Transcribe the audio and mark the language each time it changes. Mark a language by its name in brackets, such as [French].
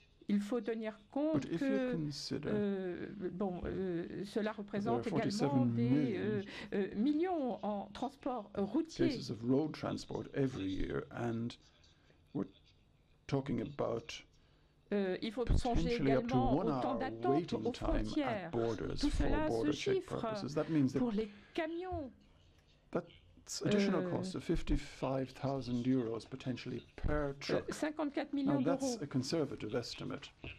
[French] Il faut tenir compte que cela représente également des millions en transport routier. [English] Cases of road transport every year, and we're talking about [French] il faut songer également au temps d'attente aux frontières. Tout cela se chiffre pour les camions. [English] Additional cost of 55,000 euros potentially per truck. [French] 54 millions d'euros. [English] That's a conservative estimate.